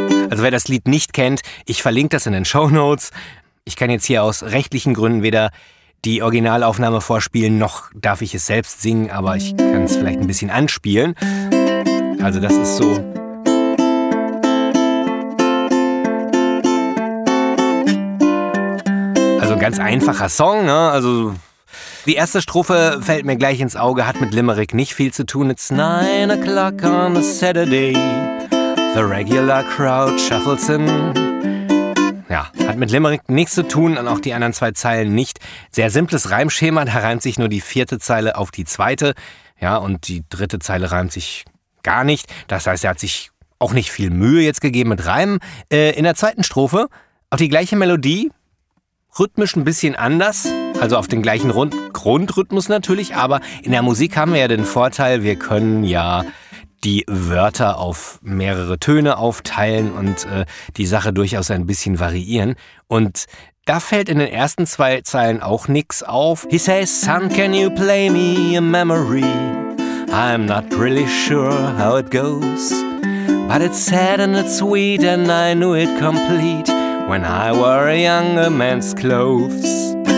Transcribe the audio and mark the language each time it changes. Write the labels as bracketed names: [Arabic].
[German] Also wer das Lied nicht kennt, ich verlinke das in den Shownotes. Ich kann jetzt hier aus rechtlichen Gründen weder die Originalaufnahme vorspielen, noch darf ich es selbst singen, aber ich kann es vielleicht ein bisschen anspielen. Also das ist so. Also ein ganz einfacher Song, ne? Also die erste Strophe fällt mir gleich ins Auge, hat mit Limerick nicht viel zu tun. [English] It's 9 o'clock on a Saturday. The regular crowd shuffles in. [German] Ja, hat mit Limerick nichts zu tun und auch die anderen zwei Zeilen nicht. Sehr simples Reimschema, da reimt sich nur die vierte Zeile auf die zweite. Ja, und die dritte Zeile reimt sich gar nicht. Das heißt, er hat sich auch nicht viel Mühe jetzt gegeben mit Reimen. In der zweiten Strophe auch die gleiche Melodie, rhythmisch ein bisschen anders. Also auf den gleichen Grundrhythmus natürlich, aber in der Musik haben wir ja den Vorteil, wir können ja die Wörter auf mehrere Töne aufteilen und die Sache durchaus ein bisschen variieren. Und da fällt in den ersten zwei Zeilen auch nichts auf. [English] He says, son, can you play me a memory? I'm not really sure how it goes. But it's sad and it's sweet and I knew it complete when I wore a younger man's clothes.